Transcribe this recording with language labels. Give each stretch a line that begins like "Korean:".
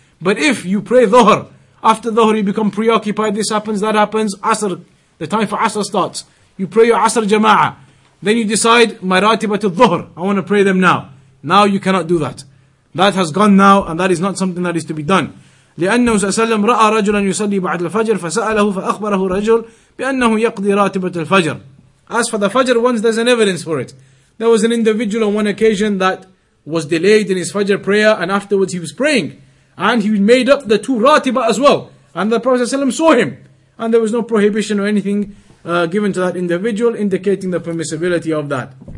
English: But if you pray Dhuhr, after Dhuhr you become preoccupied, this happens, that happens, Asr, the time for Asr starts. You pray your Asr Jama'ah. Then you decide, my ratibatul dhuhr, I want to pray them now. Now you cannot do that. That has gone now, and that is not something that is to be done.
Arabic: لأنه سأسلم رأى رجلا يصلي بعد الفجر فسأله فأخبره رجل بأنه يقضي راتبة الفجر.
English: As for the Fajr ones, there's an evidence for it. There was an individual on one occasion that was delayed in his Fajr prayer, and afterwards he was praying. And he made up the two ratiba as well. And the Prophet saw him. And there was no prohibition or anything given to that individual, indicating the permissibility of that.